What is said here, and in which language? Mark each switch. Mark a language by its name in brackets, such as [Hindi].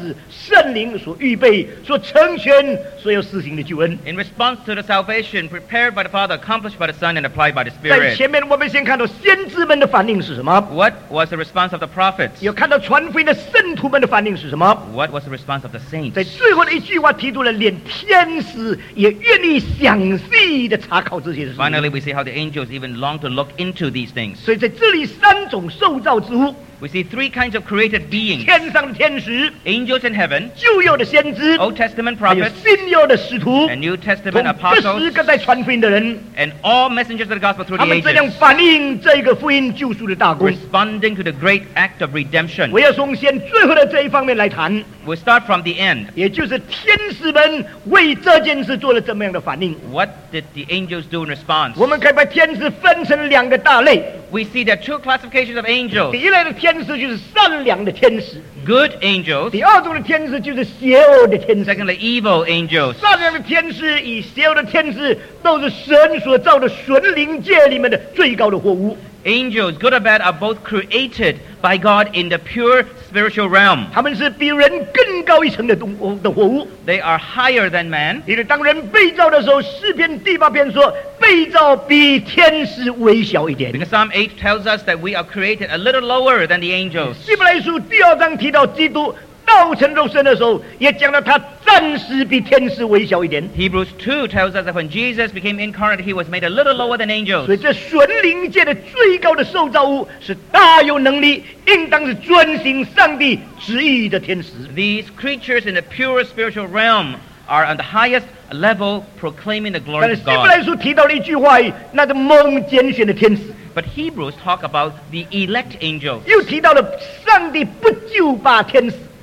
[Chinese] 圣灵所预备所成全所有事情的救恩 [English] In response to the salvation prepared by the Father, accomplished by the Son, and applied by the Spirit. [Chinese] 在前面我们先看到先知们的反应是什么? [English] What was the response of the prophets? [Chinese] 有看到传福音的圣徒们的反应是什么? [English] What was the response of the saints? [Chinese] 在最后的一句话提到了连天使也愿意详细地查考这些事情 [English] Finally, we see how the angels even long to look into these things. [Chinese] 所以在这里三种受造之物 [English] We see three kinds of created beings. [Chinese] 天上的天使, [English] angels in heaven. [Chinese] 旧约的先知, [English] Old Testament prophets. [Chinese] 还有新约的使徒, [English] and New Testament apostles. And all messengers of the gospel through the ages. [Chinese] 他们这样反映这个福音救赎的大功, [English] responding to the great act of redemption. [Chinese] 我要从先最后的这一方面来谈, [English] we'll start from the end. [Chinese] 也就是天使们为这件事做了怎么样的反应? [English] What did the angels do in response? [Chinese] 我们可以把天使分成两个大类, [English] we see there are two classifications of angels. [Chinese] 天使就是善良的天使 [English] Good angels [Chinese] 第二种的天使就是邪恶的天使 [English] Secondly, evil angels [Chinese] 善良的天使与邪恶的天使都是神所造的神灵界里面的最高的货物 [English] Angels, good or bad, are both created by God in the pure spiritual realm. [Chinese] 他们是比人更高一层的活物 [English] They are higher than man. [Chinese] 因为当人被造的时候，诗篇第八篇说 被造比天使微小一点 [English] Because Psalm 8 tells us that we are created a little lower than the angels. [Chinese] 希伯来书第二章提到基督 道成肉身的时候，也讲到他暂时比天使微小一点。 [English] Hebrews 2 tells us that when Jesus became incarnate, he was made a little lower than angels. [Chinese] 所以这神灵界的最高的受造物是大有能力，应当是遵行上帝旨意的天使。 [English] These creatures in the pure spiritual realm are on the highest level, proclaiming the glory of God. [Chinese] 但是希伯来书提到了一句话，那个蒙拣选的天使。 [English] But Hebrews talk about the elect angels. [Chinese] 又提到了上帝不救拔天使。